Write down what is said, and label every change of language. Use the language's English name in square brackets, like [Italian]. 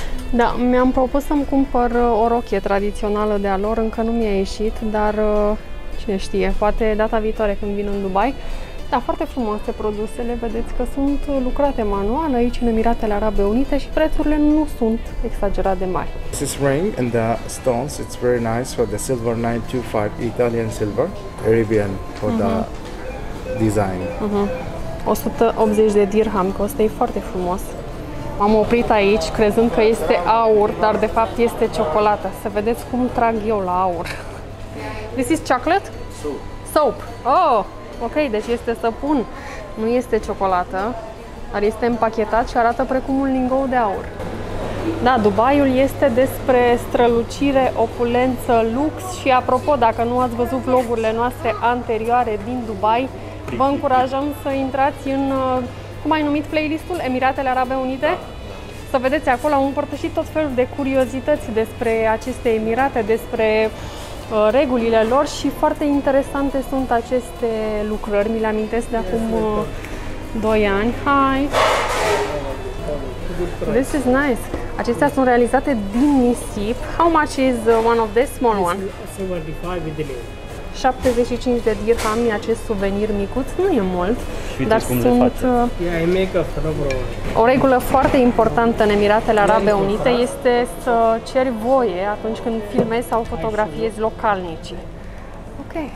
[Romanian] Da, mi-am propus să-mi cumpăr o rochie tradițională de-a lor, încă nu mi-a ieșit, dar cine știe, poate data viitoare când vin în Dubai. Da, foarte frumoase produsele, vedeți că sunt lucrate manual aici în Emiratele Arabe Unite și prețurile nu sunt exagerat de mari. [English] This is ring and the stones, it's very nice for the silver 925 Italian silver, Arabian for the design. Uh-huh. [Romanian] 180 de dirham, costă, e foarte frumos. M-am oprit aici, crezând că este aur, dar de fapt este ciocolată. Să vedeți cum trag eu la aur. [English] This is chocolate? Soap. [Romanian] Oh, ok, deci este săpun. Nu este ciocolată, dar este împachetat și arată precum un lingou de aur. Da, Dubaiul este despre strălucire, opulență, lux. Și apropo, dacă nu ați văzut vlogurile noastre anterioare din Dubai, vă încurajăm să intrați în... Cum ai numit playlistul? Emiratele Arabe Unite? Da. Să vedeți, acolo am împărtășit tot felul de curiozități despre aceste emirate, despre regulile lor și foarte interesante sunt aceste lucrări. Mi le amintesc de acum 2 ani. Hi! [English] This is nice! [Romanian] Acestea sunt realizate din nisip. [English] How much is one of this small one? [Romanian] 75 de dirham e acest suvenir micuț, nu e mult, dar sunt o regulă foarte importantă în Emiratele Arabe Unite este să ceri voie atunci când filmezi sau fotografiezi localnicii. Ok.